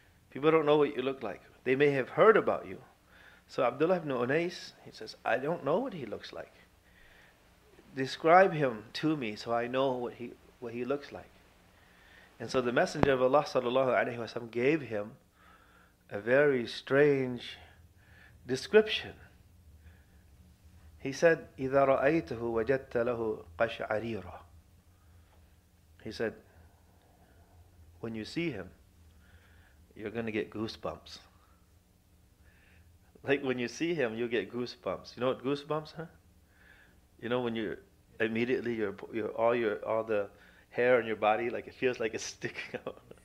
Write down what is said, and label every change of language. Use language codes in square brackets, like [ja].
[en] People don't know what you look like. They may have heard about you. So Abdullah ibn Unais, he says, I don't know what he looks like. Describe him to me so I know what he looks like. And so the Messenger of Allah sallallahu alaihi wasallam gave him a very strange description. He said, [ar] إِذَا رَأَيْتَهُ وَجَدْتَ لَهُ قَشْعَرِيرًا. [en] He said, when you see him, you're going to get goosebumps. Like when you see him, you get goosebumps. You know what goosebumps, huh? You know when you immediately, all the hair on your body, like it feels like it's sticking out.